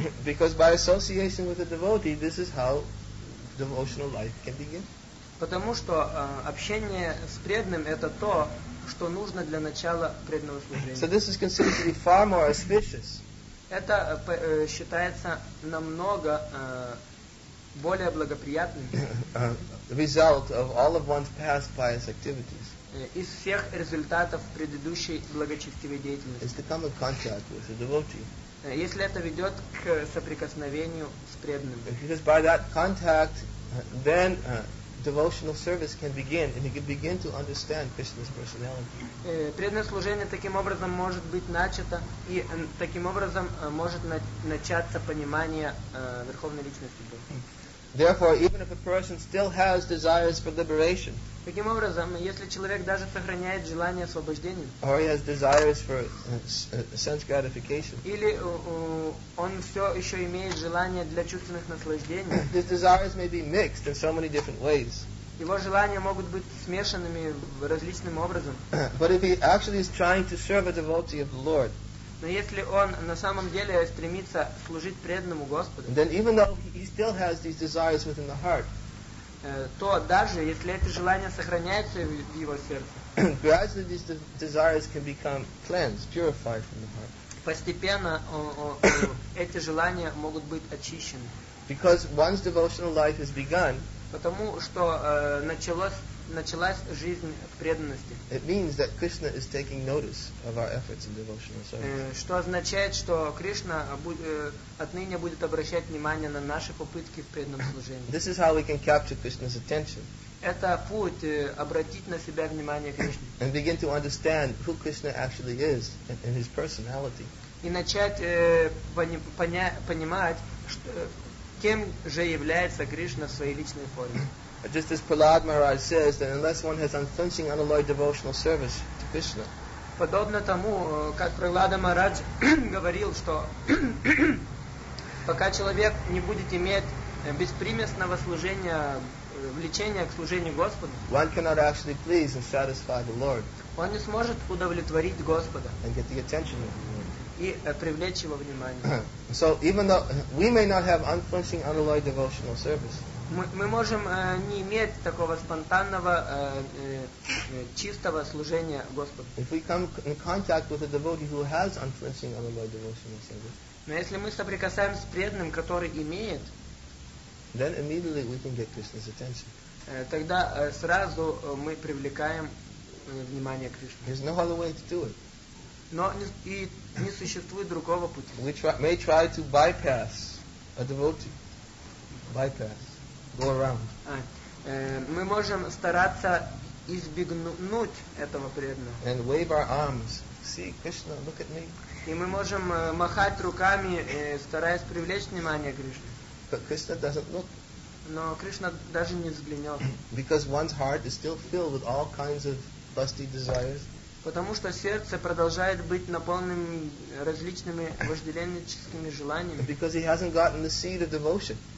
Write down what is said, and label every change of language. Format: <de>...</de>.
<en>Because by association with a devotee, this is how devotional life can begin.</en> <ru>Потому что общение с преданным – это то, что нужно для начала преданного служения.</ru> <en>So this is considered to be far more auspicious.</en> <ru>Это считается намного более благоприятным</ru> <en>result of all of one's past pious activities.</en> <ru>Из всех результатов предыдущей благочестивой деятельности.</ru> <en>Is to come in contact with a devotee.</en> <ru>Если это ведет к соприкосновению с преданным.</ru> <en>Because by that contact, then devotional service can begin, and he can begin to understand Krishna's personality.</en> <ru>Преданное служение таким образом может быть начато, и таким образом может начаться понимание Верховной Личности Бога.</ru> <en>Therefore, even if a person still has desires for liberation,</en> <ru>таким образом, если человек даже сохраняет желание освобождения,</ru> <en>or he has desires for sense gratification,</en> <ru>или он все еще имеет желание для чувственных наслаждений,</ru> <en>his desires may be mixed in so many different ways.</en> <ru>Его желания могут быть смешанными различным образом.</ru> <en>But if he actually is trying to serve a devotee of the Lord,</en> <ru>но если он на самом деле стремится служить преданному Господу,</ru> <en>then even though he still has these desires within the heart,</en> <ru>то даже если это желание сохраняется в его сердце,</ru> <en>gradually these desires can become cleansed, purified from the heart.</en> <ru>Постепенно эти желания могут быть очищены.</ru> <en>Because one's devotional life has begun,</en> <ru>потому что началась жизнь в преданности.</ru> <en>It means that Krishna is taking notice of our efforts in devotional service.</en> <ru>Что означает, что Кришна отныне будет обращать внимание на наши попытки в преданном служении.</ru> <en>This is how we can capture Krishna's attention.</en> <ru>Это путь обратить на себя внимание Кришны.</ru> <en>And begin to understand who Krishna actually is and his personality.</en> <ru>И начать понимать, что кем же является Кришна в своей личной форме.</ru> <en>Just as Prahlad Maharaj says that unless one has unflinching unalloyed devotional service to Krishna.</en> <ru>Подобно тому, как Прахлада Махарадж говорил, что пока человек не будет иметь беспримесного служения, влечения к служению Господу,</ru> <en>one cannot actually please and satisfy the Lord.</en> <ru>Он не сможет удовлетворить Господа.</ru> <en>And get the attention of</en> <ru>и привлечь его внимание.</ru> <en>So even though we may not have unflinching unalloyed devotional service,</en> <ru>мы можем не иметь такого спонтанного чистого служения Господу.</ru> <en>If we come in contact with a devotee who has unflinching unalloyed devotional service,</en> <ru>но если мы соприкасаемся с преданным, который имеет,</ru> <en>then immediately we can get Krishna's attention.</en> <ru>Тогда сразу мы привлекаем внимание Кришны.</ru> <en>There's no other way to do it.</en> <ru>Но и не существует другого пути.</ru> <en>We may try to bypass a devotee. Bypass. Go around.</en> <ru>Мы можем стараться избегнуть этого преданного.</ru> <en>And wave our arms. See, Krishna, look at me.</en> <ru>И мы можем махать руками, стараясь привлечь внимание Кришны.</ru> <en>But Krishna doesn't look.</en> <ru>Но Кришна даже не взглянет.</ru> <en>Because one's heart is still filled with all kinds of lusty desires.</en> <ru>Потому что сердце продолжает быть наполненным различными вожделенческими желаниями.</ru> <en>Because he hasn't gotten the seed of devotion.</en>